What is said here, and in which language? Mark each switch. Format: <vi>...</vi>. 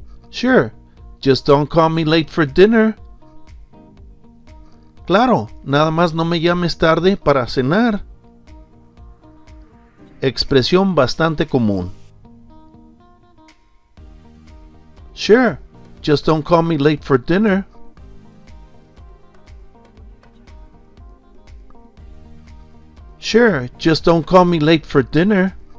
<en>Sure, just don't call me late for dinner.</en> <es>Claro, nada más no me llames tarde para cenar. Expresión bastante común.</es> <en>Sure, just don't call me late for dinner. Sure, just don't call me late for dinner.</en>